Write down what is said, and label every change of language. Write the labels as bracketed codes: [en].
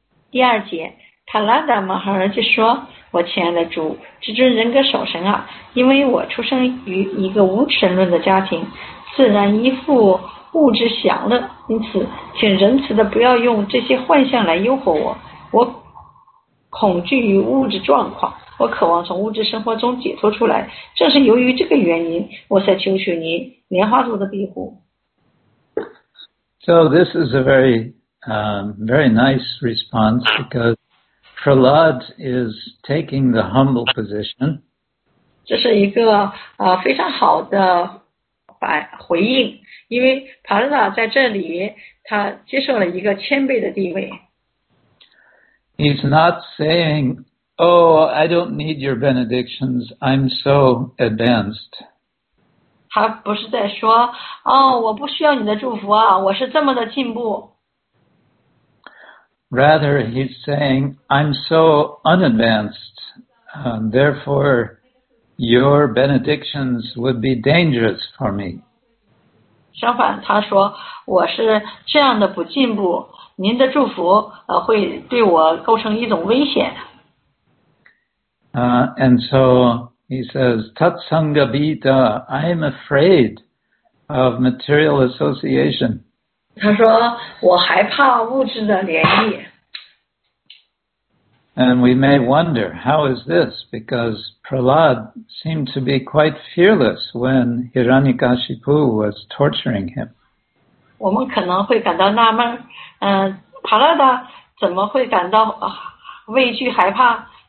[zh] 第二节，帕拉达马哈尔就说：“我亲爱的主，至尊人格守神啊，因为我出生于一个无神论的家庭，自然依附物质享乐，因此，请仁慈的不要用这些幻象来诱惑我。我恐惧于物质状况，我渴望从物质生活中解脱出来。正是由于这个原因，我才求求您莲花座的庇护。” [en] So this is a very, very nice response because Prahlad is taking the humble position. [zh] 这是一个非常好的回应，因为帕拉纳在这里他接受了一个谦卑的地位。 [en] He's not saying, "Oh, I don't need your benedictions. I'm so advanced." [zh] 他不是在说，哦，我不需要你的祝福啊，我是这么的进步。 [en] Rather, he's saying, "I'm so unadvanced. Therefore, your benedictions would be dangerous for me." [zh] 相反，他说我是这样的不进步。您的祝福会对我构成一种危险。 [en] And so he says, Tatsangabita, I am afraid of material association. [zh] 他说我害怕物质的联系。 [en] And we may wonder, how is this? Because Prahlad seemed to be quite fearless when Hiranyakashipu was torturing him. [zh] 我们可能会感到纳闷，帕拉达怎么会感到畏惧害怕？